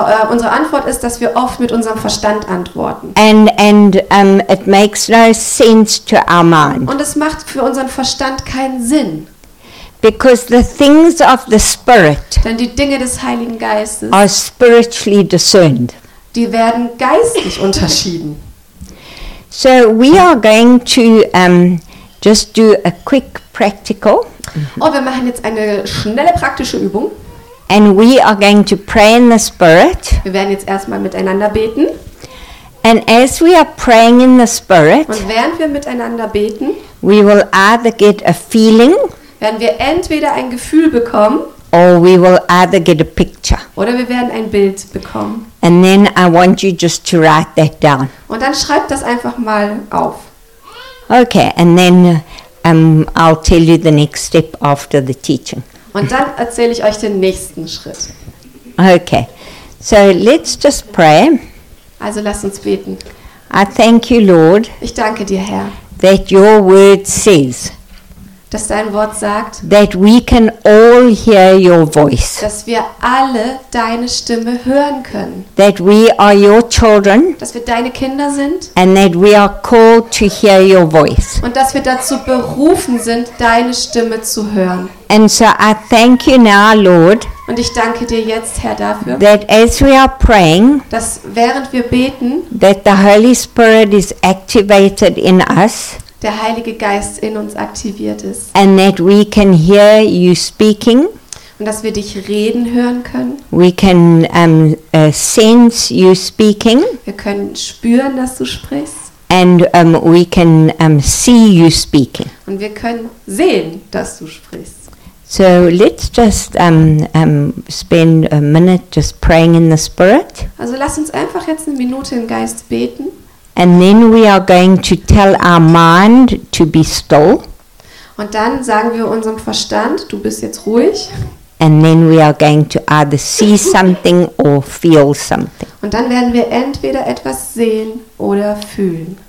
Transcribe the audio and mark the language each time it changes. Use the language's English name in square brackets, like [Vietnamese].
[German] Unsere Antwort ist, dass wir oft mit unserem Verstand antworten. [English] And it makes no sense to our mind. [German] Und es macht für unseren Verstand keinen Sinn. [English] Because the things of the Spirit, [German] denn die Dinge des Heiligen Geistes, [English] are spiritually discerned. [German] Die werden geistlich unterschieden. [English] So we are going to just do a quick practical. [German] Oh, wir machen jetzt eine schnelle praktische Übung. [English] And we are going to pray in the spirit. [German] Wir werden jetzt erstmal miteinander beten. [English] And as we are praying in the spirit, [German] und während wir miteinander beten, [English] we will either get a feeling, [German] werden wir entweder ein Gefühl bekommen, [English] or we will either get a picture, [German] oder wir werden ein Bild bekommen. [English] And then I want you just to write that down. [German] Und dann schreib das einfach mal auf. [English] Okay, and then I'll tell you the next step after the teaching. [German] Und dann erzähle ich euch den nächsten Schritt. [English] Okay. So let's just pray. [German] Also lasst uns beten. [English] I thank you, Lord. [German] Ich danke dir, Herr. [English] That your word says. [German] Dass dein Wort sagt. [English] That we can all hear your voice. [German] Dass wir alle deine Stimme hören können. [English] That we are your children. [German] Dass wir deine Kinder sind. [English] And that we are called to hear your voice. [German] Und dass wir dazu berufen sind, deine Stimme zu hören. [English] And so I thank you now, Lord. [German] Und ich danke dir jetzt, Herr, dafür. [English] That as we are praying, [German] dass während wir beten, [English] that the Holy Spirit is activated in us. [German] Der Heilige Geist in uns aktiviert ist. [English] And that we can hear you speaking. [German] Und dass wir dich reden hören können. [English] We can sense you speaking. [German] Wir können spüren, dass du sprichst. [English] And we can see you speaking. [German] Und wir können sehen, dass du sprichst. [English] So let's just spend a minute just praying in the spirit. [German] Also lass uns einfach jetzt eine Minute im Geist beten. [English] And then we are going to tell our mind to be still. [German] Und dann sagen wir unserem Verstand, du bist jetzt ruhig. [English] And then we are going to either see something or feel something. [German] Und dann werden wir entweder etwas sehen oder fühlen.